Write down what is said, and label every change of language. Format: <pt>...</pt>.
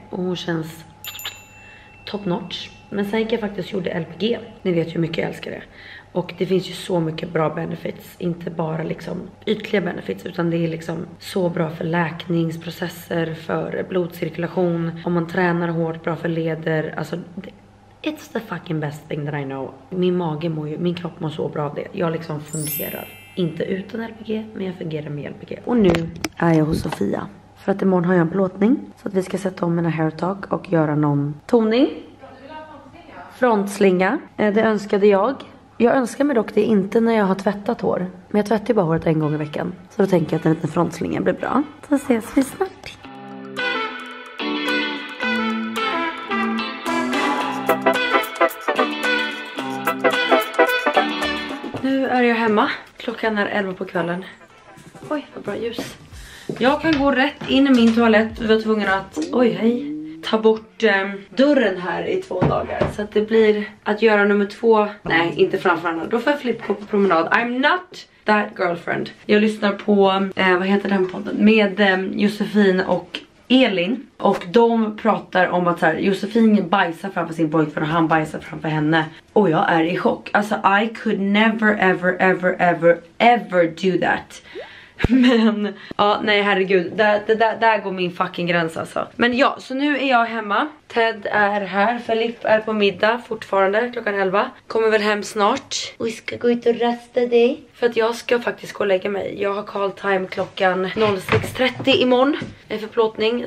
<sv>Och hon känns</sv> <en>top notch.</en> <sv>Men sen gick jag faktiskt gjorde LPG. Ni vet ju hur mycket jag älskar det. Och det finns ju så mycket bra benefits. Inte bara liksom ytliga benefits. Utan det är liksom så bra för läkningsprocesser. För blodcirkulation. Om man tränar hårt, bra för leder.</sv> <en>Alltså it's the fucking best thing that I know.</en> <sv>Min mage mår ju, min kropp mår så bra av det. Jag liksom fungerar. Inte utan LPG, men jag fungerar med LPG. Och nu är jag hos Sofia. För att imorgon har jag en plåtning. Så att vi ska sätta om mina hair talk och göra någon toning. Frontslinga. Det önskade jag. Jag önskar mig dock det inte när jag har tvättat hår. Men jag tvättar ju bara håret en gång i veckan. Så då tänker jag att en liten frontslinga blir bra. Så ses vi snart. Är jag hemma. Klockan är 11 på kvällen. Oj, vad bra ljus. Jag kan gå rätt in i min toalett. Vi var tvungna att, oj hej, ta bort dörren här i 2 dagar. Så att det blir att göra nummer 2. Nej, inte framför andra. Då får jag flippa på promenad.</sv> <en>I'm not that girlfriend.</en> <sv>Jag lyssnar på, vad heter den podden? Med Josefin och Elin. Och de pratar om att så här, Josefin bajsar framför sin pojkvän och han bajsar framför henne. Och jag är i chock.</sv> <en>Alltså I could never ever ever ever ever do that.</en> <sv>Men ja, nej herregud. Där går min fucking gräns alltså. Men ja, så nu är jag hemma. Ted är här. Filip är på middag fortfarande klockan 11. Kommer väl hem snart. Och vi ska gå ut och rösta dig. För att jag ska faktiskt gå och lägga mig. Jag har call time klockan 06.30 imorgon. Det är för plåtning.</sv>